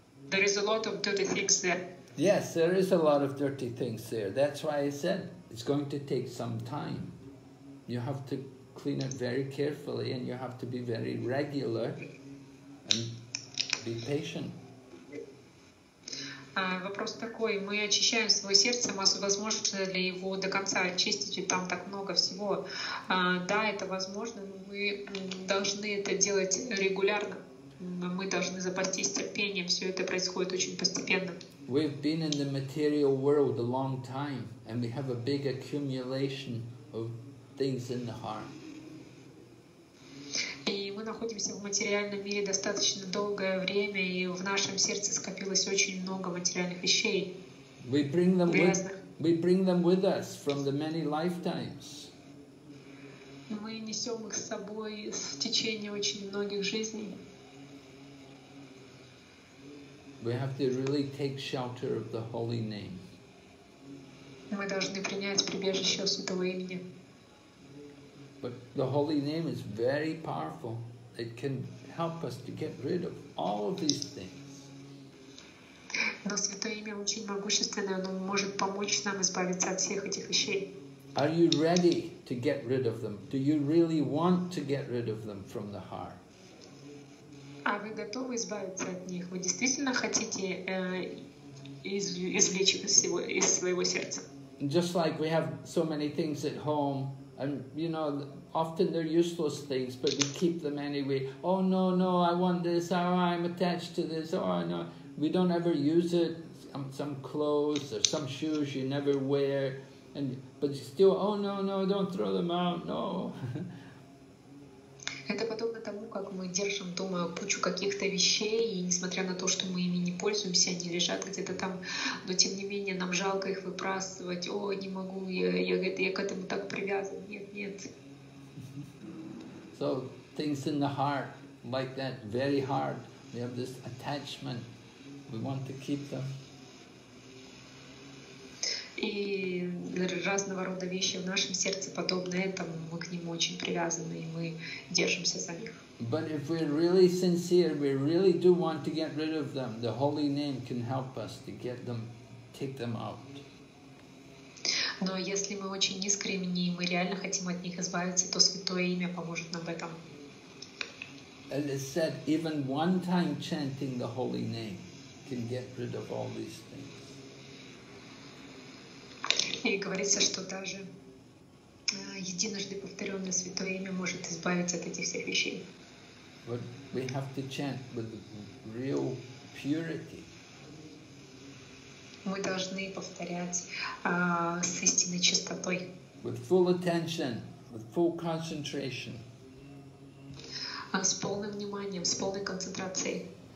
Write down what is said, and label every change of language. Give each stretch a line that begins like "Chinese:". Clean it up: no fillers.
English: There is a lot of dirty things there. Yes, there is a lot of dirty things there. That's why I said it's going to take some time. You have to clean it very carefully and you have to be very regular and be patient.
Russian: Вопрос такой, мы очищаем свое сердце, возможно ли его до конца очистить, и там так много всего. Да, это возможно, но мы должны это делать регулярно. Мы должны запастись терпением, все это происходит очень постепенно.
English: We've been in the material world a long time, and we have a big accumulation of things in the heart.
Russian: И мы находимся в материальном мире достаточно долгое время, и в нашем сердце скопилось очень много материальных вещей.
English: We bring them with us from the many lifetimes.
Russian: Мы несем их с собой в течение очень многих жизней.
English: We have to really take shelter of the holy name.
Russian: Мы должны принять прибежище святого имени.
English: But the holy name is very powerful. It can help us to get rid of all of these things.
Russian: Но святое имя очень могущественное, оно может помочь нам избавиться от всех этих вещей.
English: Are you ready to get rid of them? Do you really want to get rid of them from the heart?
Russian: А вы готовы избавиться от них? Вы действительно хотите извлечь их из своего сердца?
English: Just like we have so many things at home, and you know, often they're useless things, but we keep them anyway. Oh no, no, I want this. Oh, I'm attached to this. Oh no, we don't ever use it. Some clothes or some shoes you never wear. And but still, oh no, no, don't throw them out, no.
Russian: Это подобно тому, как мы держим дома кучу каких-то вещей, и несмотря на то, что мы ими не пользуемся, они лежат где-то там, но тем не менее нам жалко их выбрасывать. О, не могу, я к этому так привязан. Нет, нет.
English: So things in the heart like that, very hard. We have this attachment. We want to keep them.
Russian: И разного рода вещи в нашем сердце подобны этому. Мы к ним очень привязаны, и мы держимся за них.
English: But if we're really sincere, we really do want to get rid of them, the holy name can help us to get them, take them out.
Russian: Но если мы очень искренни, и мы реально хотим от них избавиться, то Святое Имя поможет нам в этом.
English: And it said, even one time chanting the holy name can get rid of all these things.
Russian: И говорится, что даже единожды повторенное Святое Имя может избавиться от этих всех вещей.
English: But we have to chant with real purity.
Russian: Мы должны повторять с истинной чистотой.
English: With full attention, with full concentration.
Russian: С полным вниманием, с полной концентрацией.